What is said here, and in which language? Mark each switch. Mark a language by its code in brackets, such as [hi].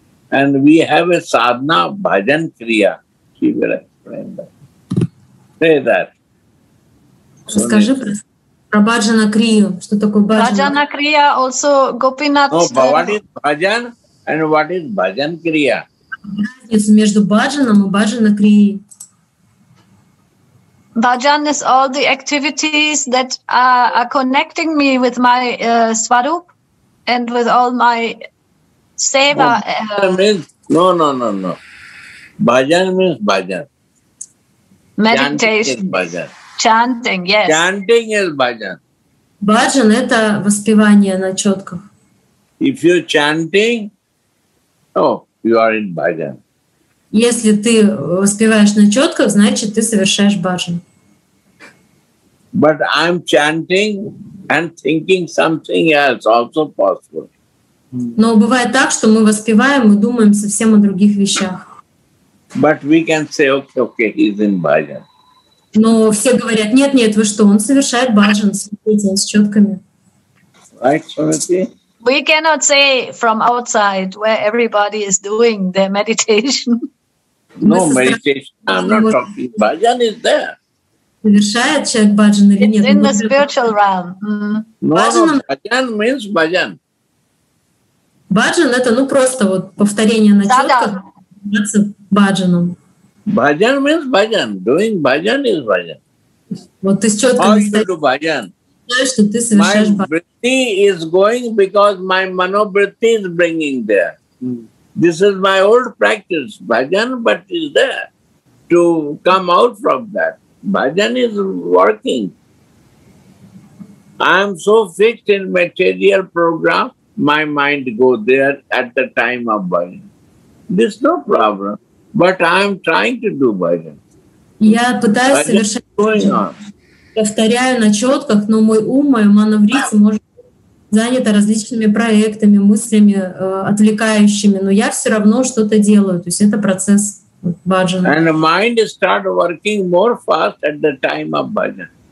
[en] And we have a sadhana bhajan kriya. She will explain that. Say that. [ru] Расскажи про bhajana kriya. Что такое [en] bhajana kriya? Also Gopinath. No, what is bhajan and what is bhajan kriya? [ru] Разница между баджаном и баджана крией. [en] Баджан is all the activities that are connecting me with my swarup and with all my seva. No. Баджан means баджан. Meditation. Chanting, yes. Chanting is баджан. [ru] Баджан – это воспевание на четках. [en] If you're chanting, you are in bhajan. [ru] Если ты воспеваешь на четках, значит ты совершаешь бхаджан. [en] But I'm chanting and thinking something else also possible. [ru] Но бывает так, что мы воспеваем и думаем совсем о других вещах. [en] But we can say, okay, he's in bhajan. [ru] Но все говорят, нет, вы что, он совершает бхаджан, смотрите, с четками. [en] Right, Shruti? We cannot say from outside where everybody is doing their meditation. No meditation. I'm not talking. Bhajan is there. [ru] Совершает человек баджан или нет? [en] In the spiritual realm. No, bhajan means bhajan. [ru] Bhajan – это просто повторение на четках. Баджаном. [en] Bhajan means bhajan. Doing bhajan is bhajan. [ru] Вот ты с четками стоишь. Bhajan. [en] My vritti is going because my manovritti is bringing there. This is my old practice, bhajan, but is there to come out from that. Bhajan is working. I am so fixed in material program, my mind go there at the time of bhajan. This is no problem, but I am trying to do bhajan. Bhajan is going on. [ru] Повторяю на четках, но мой ум, мое манаврити может быть занято различными проектами, мыслями, отвлекающими, но я все равно что-то делаю. То есть это процесс баджана. [en] And the mind start working more fast at the time of bhajan.